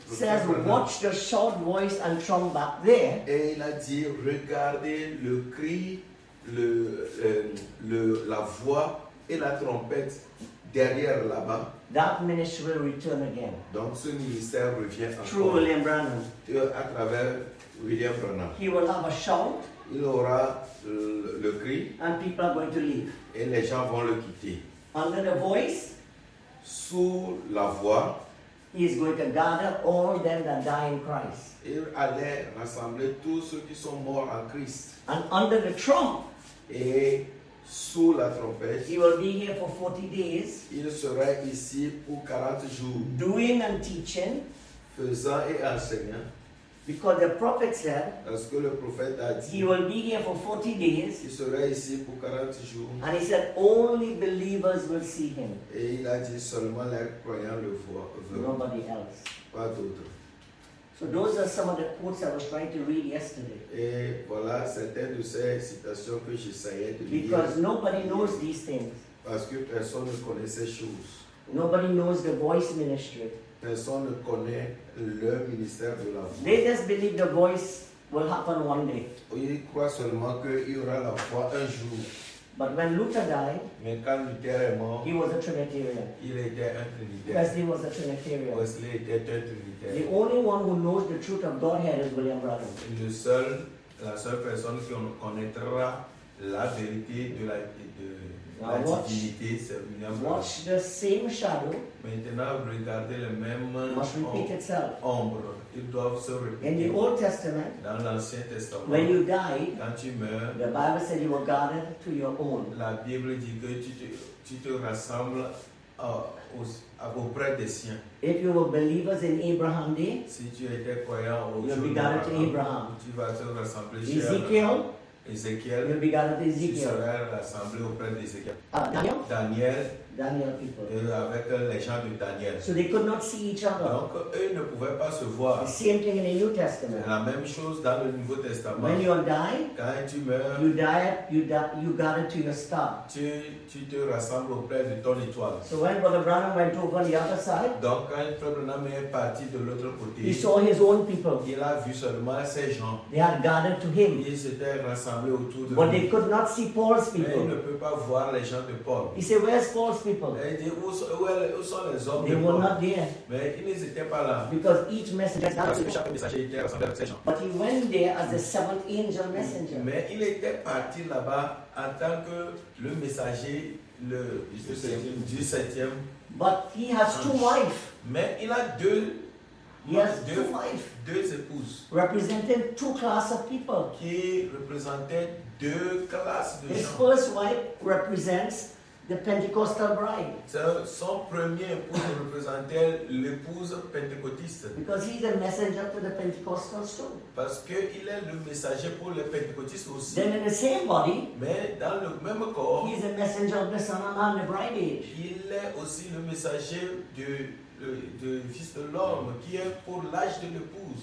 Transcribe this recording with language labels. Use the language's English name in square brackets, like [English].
[English] says, Branham, watch the short voice and trump back there. [French] Et il a dit, regardez le cri, la voix et la trompette derrière là-bas. [English] That ministry will return again. [French] Donc ce ministère revient encore. [English] Through William Branham. [French] À travers William Branham. [English] He will have a shout. [French] Il aura le cri. [English] And people are going to leave. [French] Et les gens vont le quitter. [English] Under the voice. [French] Sous la voix. [English] He is going to gather all them that die in Christ. [French] Il allait rassembler tous ceux qui sont morts en Christ. [English] And under the trump. [French] Et sous la trompette. [English] He will be here for 40 days. [French] Il sera ici pour 40 jours. [English] Doing and teaching. [French] Faisant et enseignant. [English] Because the prophet said, [French] parce que le prophète a dit, [English] he will be here for 40 days. [French] Il sera ici pour 40 jours. [English] And he said, only believers will see him. [French] Et il a dit, seulement les croyants le verront. [English] Nobody else. [French] Pas d'autre. [English] So those are some of the quotes I was trying to read yesterday. [French] Et voilà certaines de ces citations que j'essayais de lire. [English] Because nobody knows these things. [French] Parce que personne ne connaît ces choses. [English] Nobody knows the voice ministry. [French] Personne ne connaît le ministère de la voix. [English] They just believe the voice will happen one day. [French] Ils croient seulement qu'il y aura la voix un jour. [English] But when Luther died, [French] mais quand Luther est mort, [English] he was a Trinitarian. [French] Il était un Trinitarian. [English] Wesley was a Trinitarian. [French] Wesley était un Trinitarian. [English] The only one who knows the truth of Godhead is William Branham. [French] La seule personne qui connaîtra la vérité de la divinité, c'est William Branham. [English] Watch the same shadow. [French] Maintenant, regardez le même ombre. Ils doivent se répéter. [English] In the Old Testament, [French] dans l'Ancien Testament, [English] when you die, [French] quand tu meurs, [English] the Bible said you were gathered to your own. [French] La Bible dit que tu te rassembles auprès des siens. [English] If you were believers in Abraham day, [French] si tu étais croyant au jour d'Abraham, [English] to Abraham. [French] Tu vas te rassembler chez Ezekiel. Ezekiel, [English] you'll be gathered to Ezekiel. [French] Tu seras rassemblé auprès d'Ezekiel. [English] Daniel people. [French] Avec les gens de Daniel. [English] So they could not see each other. [French] Donc eux ne pouvaient pas se voir. [English] The same thing in the New Testament. [French] La même chose dans le Nouveau Testament. [English] When you die, [French] quand tu meurs, [English] you die, you got it to your star. [French] Tu te rassembles auprès de ton étoile. [English] So when Brother Branham went over the other side, [French] donc quand Brother Branham est parti de l'autre côté, [English] he saw his own people. [French] Il a vu seulement ses gens. [English] They had gathered to him. [French] Ils étaient rassemblés autour de lui. [English] But they could not see Paul's people. [French] Mais ils ne peuvent pas voir les gens de Paul. [English] He said, where's Paul's people? [French] Et dit, où sont les hommes [English] they [French] de [English] were Paul? Not there. [French] Mais ils n'étaient pas là. [English] Because each messenger [French] parce que chaque messager était rassemblé avec ses gens. [English] But he went there as the seventh angel messenger. [French] Mais il était parti là-bas en tant que le messager du septième. [English] But he has two wives. [French] Mais il a deux épouses. [English] Representing two classes of people. [French] Qui représentaient deux classes de [English] his [French] gens. [English] His first wife represents the Pentecostal bride. [French] Son premier épouse représentait l'épouse pentecôtiste. [English] Because he's a messenger to the Pentecostals too. [French] Parce que il est le messager pour les pentecôtistes aussi. [English] Then in the same body, [French] mais dans le même corps, [English] he's a messenger of the Son of Man, the bride age. [French] Il est aussi le messager du fils de l'homme qui est pour l'âge de l'épouse.